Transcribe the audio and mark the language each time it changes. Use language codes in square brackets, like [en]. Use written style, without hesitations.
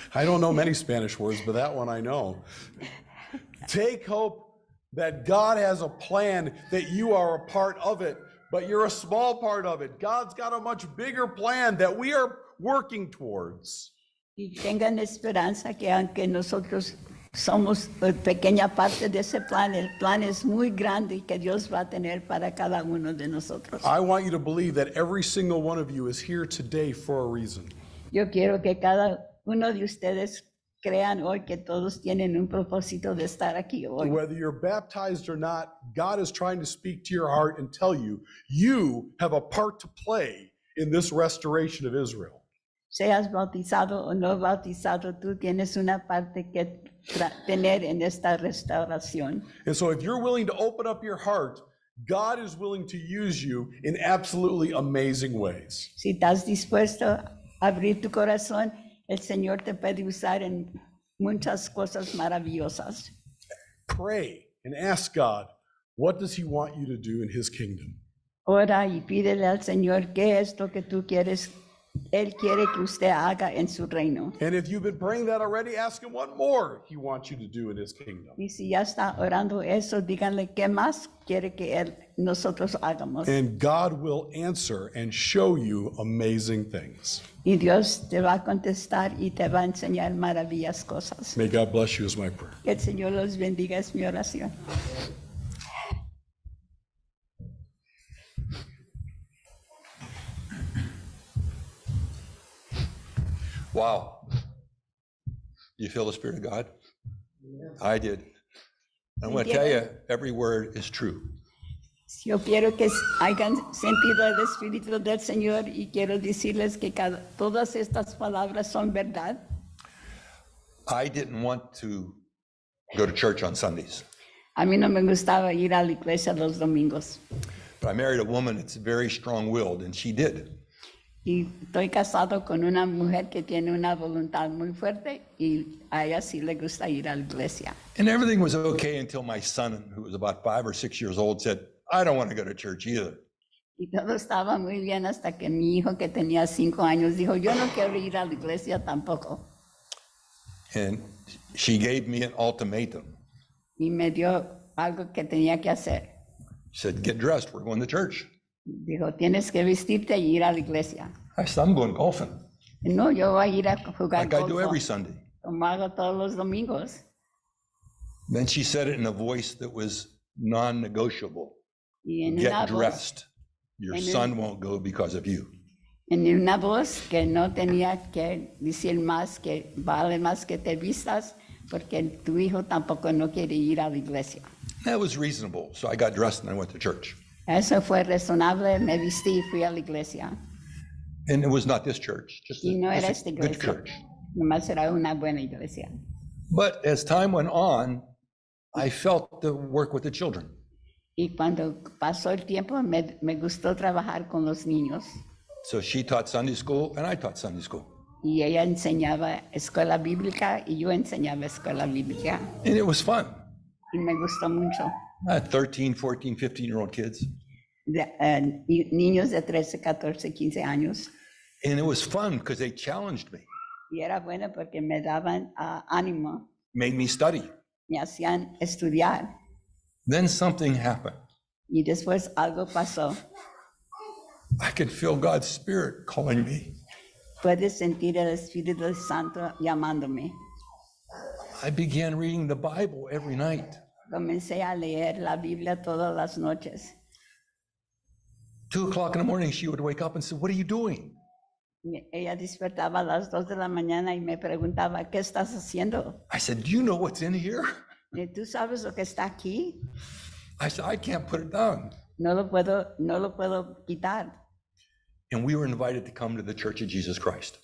[en] I don't know many Spanish words, but that one I know. Take hope that God has a plan, that you are a part of it, but you're a small part of it. God's got a much bigger plan that we are working towards. [es] Y tengan esperanza que aunque nosotros somos pequeña parte de ese plan, el plan es muy grande que Dios va a tener para cada uno de nosotros. [en] I want you to believe that every single one of you is here today for a reason. [es] Yo quiero que cada uno de ustedes crean hoy que todos tienen un propósito de estar aquí hoy. [en] Whether you're baptized or not, God is trying to speak to your heart and tell you, you have a part to play in this restoration of Israel. [es] Seas bautizado o no bautizado, tú tienes una parte que tener en esta restauración. [en] And so if you're willing to open up your heart, God is willing to use you in absolutely amazing ways. [es] Si estás dispuesto a abrir tu corazón, el Señor te puede usar en muchas cosas maravillosas. [en] Pray and ask God, what does he want you to do in his kingdom? [es] Ora y pídele al Señor qué es lo que tú quieres. Él quiere que usted haga en su reino. [en] And if you've been praying that already, ask him what more he wants you to do in his kingdom. [es] Y si ya está orando eso, díganle qué más quiere que él nosotros hagamos. [en] And God will answer and show you amazing things. [es] Y Dios te va a contestar y te va a enseñar maravillas cosas. [en] May God bless you is my prayer. [es] Que el Señor los bendiga es mi oración. [en] Wow. You feel the Spirit of God? Yeah. I did. I want to tell you, every word is true. [es] Yo quiero que hayan sentido el Espíritu del Señor y quiero decirles que todas estas palabras son verdad. [en] I didn't want to go to church on Sundays. [es] A mí no me gustaba ir a la iglesia los domingos. [en] But I married a woman that's very strong-willed, and she did. [es] Y estoy casado con una mujer que tiene una voluntad muy fuerte y a ella sí le gusta ir a la iglesia. [en] And everything was okay until my son, who was about 5 or 6 years old, said, I don't want to go to church either. [es] Y todo estaba muy bien hasta que mi hijo, que tenía 5 años, dijo, yo no quiero ir a la iglesia tampoco. [en] And she gave me an ultimatum. [es] Y me dio algo que tenía que hacer. [en] She said, get dressed, we're going to church. [es] Dijo, tienes que vestirte y ir a la iglesia. [en] I said, I'm going golfing. [es] No, yo voy a ir a jugar [en] golf. Like I do every Sunday. [es] Como hago todos los domingos. [en] Then she said it in a voice that was non-negotiable. Get dressed. Your son won't go because of you. [es] En una voz que no tenía que decir más que vale más que te vistas porque tu hijo tampoco no quiere ir a la iglesia. [en] That was reasonable. So I got dressed and I went to church. [es] Eso fue razonable, me vestí y fui a la iglesia. [en] And it was not this church, just [es] y no [en] a, [es] era [en] just [es] esta [en] a [es] iglesia. [en] Good church. [es] Nomás era una buena iglesia. [en] But as time went on, I felt the work with the children. [es] Y cuando pasó el tiempo, me gustó trabajar con los niños. [en] So she taught Sunday school and I taught Sunday school. [es] Y ella enseñaba escuela bíblica y yo enseñaba escuela bíblica. [en] And it was fun. [es] Y me gustó mucho. [en] I had 13, 14, 15-year-old kids. [es] Niños de 13, 14, 15 años. [en] And it was fun because they challenged me. [es] Y era bueno porque me daban ánimo. [en] Made me study. [es] Me hacían estudiar. [en] Then something happened. [es] Y después algo pasó. [en] I can feel God's Spirit calling me. [es] Puedes sentir el Espíritu Santo llamándome. [en] I began reading the Bible every night. [es] Comencé a leer la Biblia todas las noches. [en] 2 o'clock in the morning, she would wake up and say, "What are you doing?" [es] Ella despertaba a las 2 de la mañana y me preguntaba, ¿qué estás haciendo? [en] I said, "Do you know what's in here?" [es] ¿Tú sabes lo que está aquí? [en] I said, "I can't put it down." [es] No lo puedo quitar. [en] And we were invited to come to the Church of Jesus Christ.